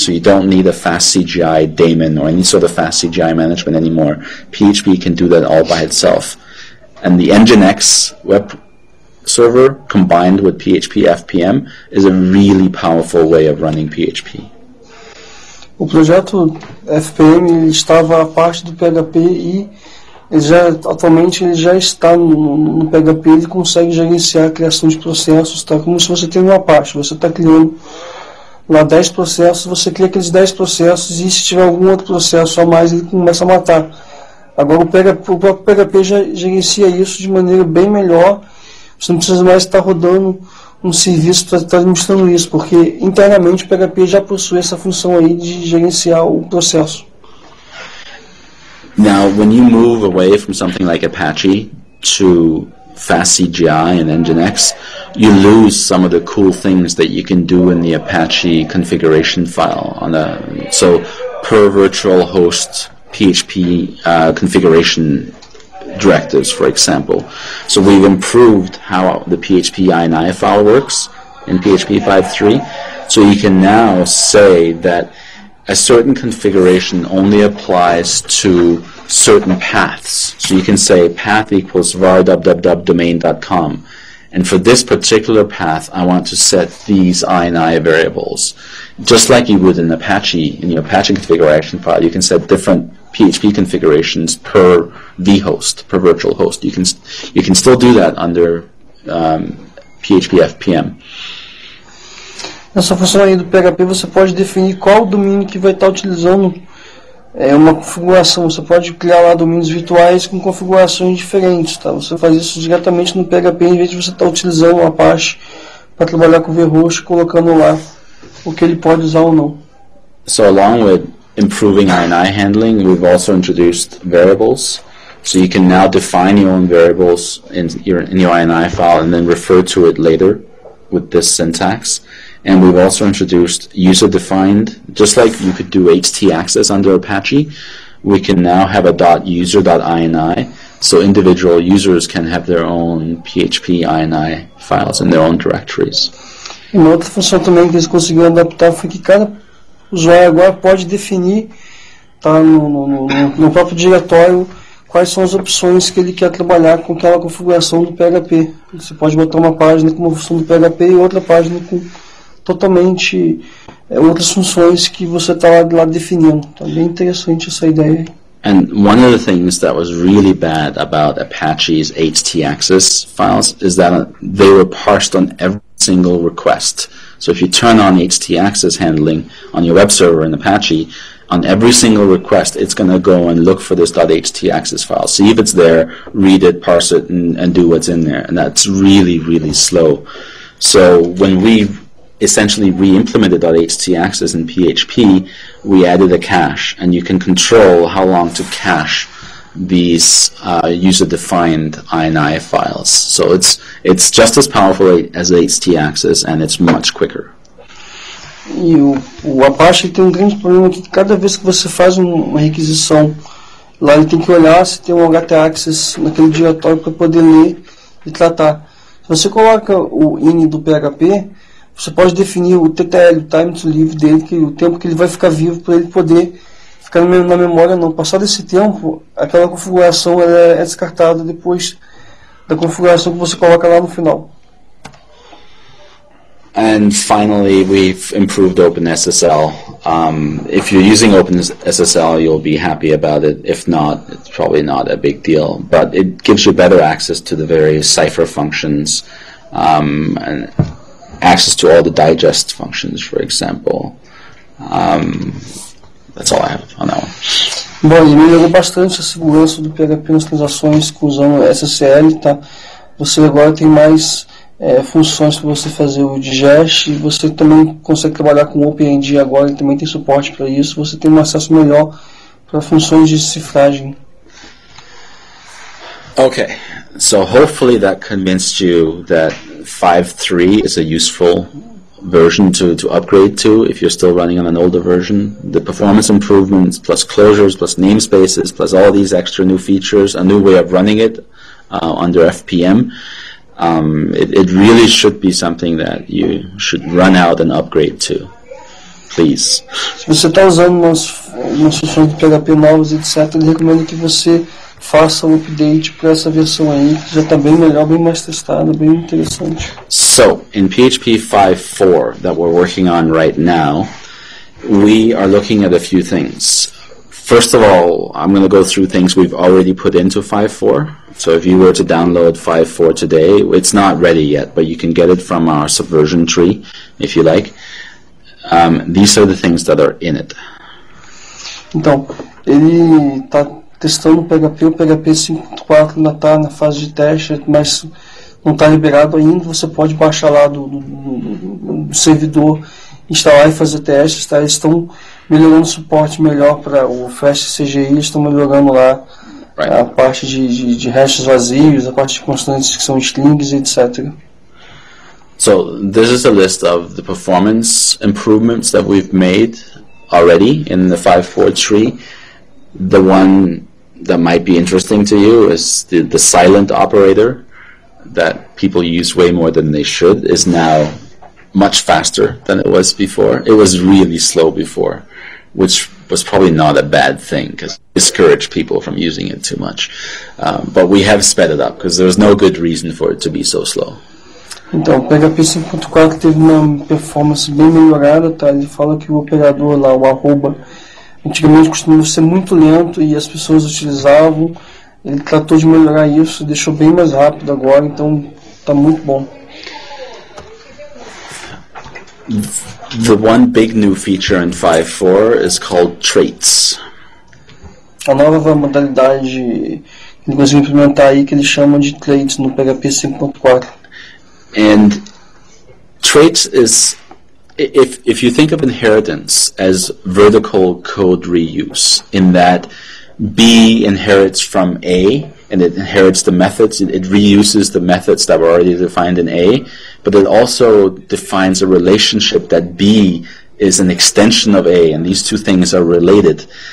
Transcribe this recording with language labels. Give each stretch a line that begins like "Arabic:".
English: So you don't need a fast CGI daemon or any sort of fast CGI management anymore. PHP can do that all by itself. And the Nginx web server combined with PHP FPM is a really powerful way of running PHP.
Portuguese: O projeto FPM estava a parte do PHP e atualmente ele já está no PHP. Ele consegue gerenciar a criação de processos, tá? Como se você tem uma parte, você está criando lá 10 processos, você cria aqueles 10 processos e se tiver algum outro processo a mais, ele começa a matar. Agora o próprio PHP já gerencia isso de maneira bem melhor. Você não precisa mais estar rodando um serviço para estar administrando isso, porque internamente o PHP já possui essa função aí de gerenciar o processo.
English: Now, when you move away from something like Apache to FastCGI and Nginx, you lose some of the cool things that you can do in the Apache configuration file. So, per virtual host PHP configuration directives, for example. So we've improved how the PHP INI file works in PHP 5.3. So you can now say that a certain configuration only applies to certain paths. So you can say path equals var www.domain.com. And for this particular path, I want to set these INI variables. Just like you would in Apache, in your Apache configuration file, you can set different PHP configurations per vhost, per virtual host. You can still do that under PHP FPM.
Portuguese: Nessa função aí do PHP, você pode definir qual o domínio que vai estar utilizando uma configuração. Você pode criar lá domínios virtuais com configurações diferentes. Tá? Você faz isso diretamente no PHP, em vez de você estar utilizando uma Apache para trabalhar com o VHost, colocando lá o que ele pode usar ou não.
English: So along with improving INI handling, we've also introduced variables. So you can now define your own variables in your INI file and then refer to it later with this syntax. And we've also introduced user-defined, just like you could do htaccess under Apache, we can now have a .user.ini, so individual users can have their own PHP INI files in their own directories.
Portuguese: E uma outra função também que eles conseguiram adaptar foi que cada usuário agora pode definir, tá, no próprio diretório, quais são as opções que ele quer trabalhar com aquela configuração do PHP. Você pode botar uma página com uma função do PHP e outra página com totalmente outras funções que você está lá definindo. Então, bem interessante essa ideia.
English: And one of the things that was really bad about Apache's htaccess files is that they were parsed on every single request. So if you turn on htaccess handling on your web server in Apache, on every single request, it's going to go and look for this .htaccess file. See if it's there, read it, parse it, and do what's in there. And that's really, really slow. So when we essentially re-implemented .htaccess in PHP, we added a cache, and you can control how long to cache these user-defined INI files. So it's just as powerful as htaccess, and it's much quicker.
Portuguese: E o Apache tem um grande problema que cada vez que você faz uma requisição lá, ele tem que olhar se tem um htaccess naquele diretório para poder ler e tratar. Se você coloca o ini do PHP, você pode definir o TTL, o time to live dele, que é o tempo que ele vai ficar vivo para ele poder ficar na memória. Não, passado esse tempo, aquela configuração ela é descartada depois da configuração que você coloca lá no final.
English: And finally, we've improved OpenSSL. If you're using OpenSSL, you'll be happy about it. If not, it's probably not a big deal. But it gives you better access to the various cipher functions, and access to all the digest functions, for example. That's all I have on that one.
Portuguese: Bom, ele melhorou bastante a segurança do PHP nas transações com usando SSL, tá? Você agora tem mais funções para você fazer o digest, e você também consegue trabalhar com OpenID agora, ele também tem suporte para isso, você tem um acesso melhor para funções de cifragem.
English: Okay, so hopefully that convinced you that 5.3 is a useful version to upgrade to if you're still running on an older version. The performance improvements, plus closures, plus namespaces, plus all these extra new features, a new way of running it under FPM. It really should be something that you should run out and upgrade to, please.
Portuguese: Se você está usando umas funções de PHP novas, etc., eu recomendo que você faça um update para essa versão aí, que já está bem melhor, bem mais testada, bem interessante.
English: So, in PHP 5.4 that we're working on right now, we are looking at a few things. First of all, I'm going to go through things we've already put into 5.4. So if you were to download 5.4 today, it's not ready yet, but you can get it from our subversion tree, if you like. These are the things that are in it.
Portuguese: Então, ele está testando o PHP 5.4 ainda está na fase de teste, mas não está liberado ainda. Você pode baixar lá do servidor, instalar e fazer testes, tá? Eles estão melhorando o suporte melhor para o FastCGI, estão melhorando lá a parte de hashes vazios, a parte de constantes que são strings, etc.
English: So, this is a list of the performance improvements that we've made already in the 5.4 tree. The one that might be interesting to you is the silent operator that people use way more than they should is now much faster than it was before. It was really slow before, which was probably not a bad thing because it discouraged people from using it too much. But we have sped it up because there was no good reason for it to be so slow.
Portuguese: Então, PHP 5.4 teve uma performance bem melhorada, tá? Ele fala que o operador lá, o arroba, antigamente costumava ser muito lento e as pessoas utilizavam. Ele tratou de melhorar isso, deixou bem mais rápido agora, então Tá muito bom.
English: The one big new feature in 5.4 is called traits.
Portuguese: A nova modalidade que eles vão implementar aí que eles chamam de traits no PHP 5.4.
English: And traits is, if you think of inheritance as vertical code reuse, in that B inherits from A and it inherits the methods, it reuses the methods that were already defined in A, but it also defines a relationship that B is an extension of A, and these two things are related.